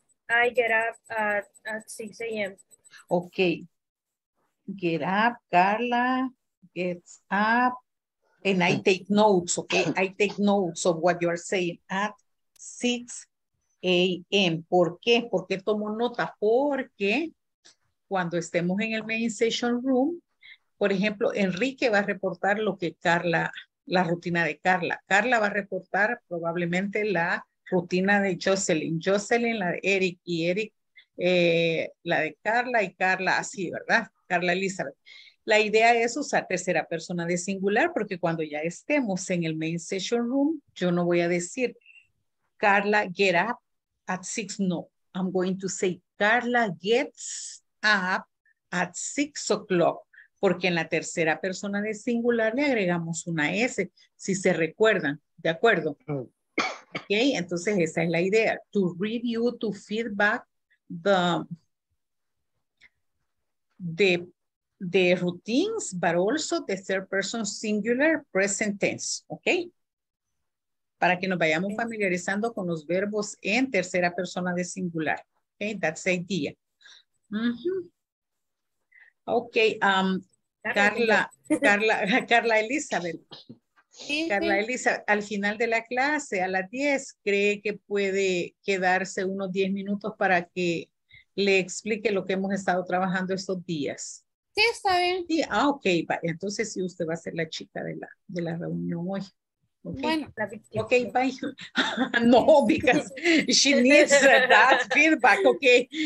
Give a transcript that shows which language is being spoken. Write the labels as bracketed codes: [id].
[en] I get up at 6 a.m. Okay. Get up, Carla gets up. And I take notes, okay? I take notes of what you are saying at 6 a.m. [es] ¿Por qué? ¿Por qué tomo nota? Porque cuando estemos en el main session room, por ejemplo, Enrique va a reportar lo que Carla, la rutina de Carla. Carla va a reportar probablemente la rutina de Jocelyn. Jocelyn, la de Eric, y Eric, la de Carla, y Carla así, ¿verdad? Carla Elizabeth. La idea es usar tercera persona de singular, porque cuando ya estemos en el main session room, yo no voy a decir, Carla, [en] get up at six. No, I'm going to say, Carla gets up at 6 o'clock. [es] Porque en la tercera persona de singular le agregamos una S, si se recuerdan, ¿de acuerdo? [en] Ok, [es] entonces esa es la idea, [en] to review, to feedback the routines, but also the third person singular present tense, ok? [es] Para que nos vayamos familiarizando con los verbos en tercera persona de singular, ok? [en] That's the idea. Mm-hmm. Ok, Carla Elizabeth. [es] Carla Elizabeth, al final de la clase, a las 10, ¿cree que puede quedarse unos 10 minutos para que le explique lo que hemos estado trabajando estos días? Sí, está bien. Sí, ah, ok, va. Entonces sí, usted va a ser la chica de la reunión hoy. [en] Okay. [es] Bueno, [en] ok, bye. No, because she needs that feedback, ok.